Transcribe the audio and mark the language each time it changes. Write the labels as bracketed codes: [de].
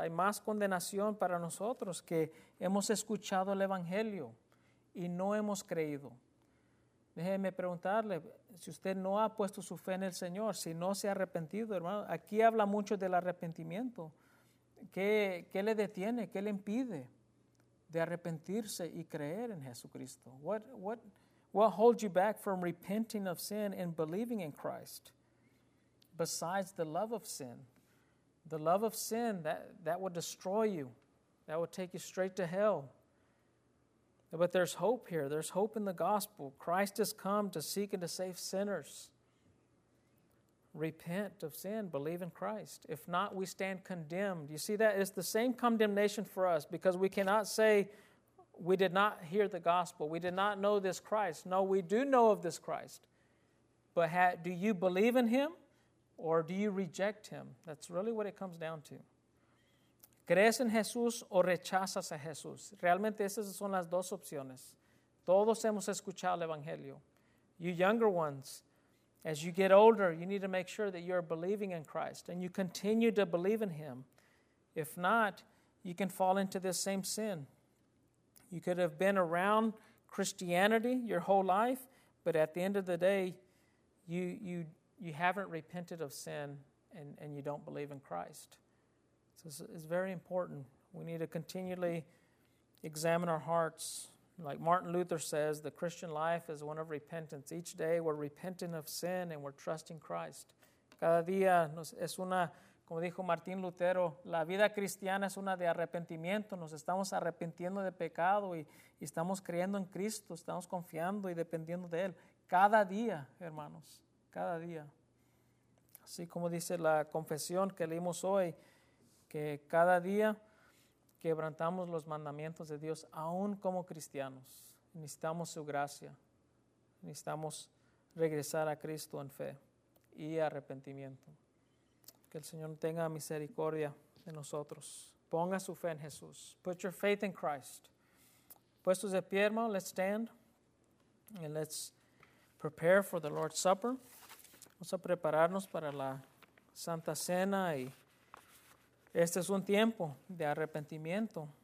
[es] Hay más condenación para nosotros que hemos escuchado el Evangelio y no hemos creído. Déjeme preguntarle, si usted no ha puesto su fe en el Señor, si no se ha arrepentido, hermano, aquí habla mucho del arrepentimiento. ¿Qué le detiene? ¿Qué le impide de arrepentirse y creer en Jesucristo? [en] What holds you back from repenting of sin and believing in Christ? Besides the love of sin. The love of sin, that would destroy you. That would take you straight to hell. But there's hope here. There's hope in the gospel. Christ has come to seek and to save sinners. Repent of sin. Believe in Christ. If not, we stand condemned. You see that? It's the same condemnation for us because we cannot say we did not hear the gospel. We did not know this Christ. No, we do know of this Christ. But do you believe in him or do you reject him? That's really what it comes down to. [es] ¿Crees en Jesús o rechazas a Jesús? Realmente esas son las dos opciones. Todos hemos escuchado el Evangelio. [en] You younger ones, as you get older, you need to make sure that you're believing in Christ and you continue to believe in him. If not, you can fall into this same sin. You could have been around Christianity your whole life, but at the end of the day, you haven't repented of sin and you don't believe in Christ. So it's very important. We need to continually examine our hearts. Like Martin Luther says, the Christian life is one of repentance. Each day we're repenting of sin and we're trusting Christ. [es] Cada día es una, como dijo Martín Lutero, la vida cristiana es una de arrepentimiento. Nos estamos arrepintiendo de pecado y estamos creyendo en Cristo. Estamos confiando y dependiendo de Él. Cada día, hermanos, cada día. Así como dice la confesión que leímos hoy, que cada día quebrantamos los mandamientos de Dios, aún como cristianos. Necesitamos su gracia. Necesitamos regresar a Cristo en fe y arrepentimiento. Que el Señor tenga misericordia de nosotros. Ponga su fe en Jesús. [en] Put your faith in Christ. [es] Puestos de pie, hermano, [en] let's stand. And let's prepare for the Lord's Supper. [es] Vamos a prepararnos para la Santa Cena y este es un tiempo de arrepentimiento.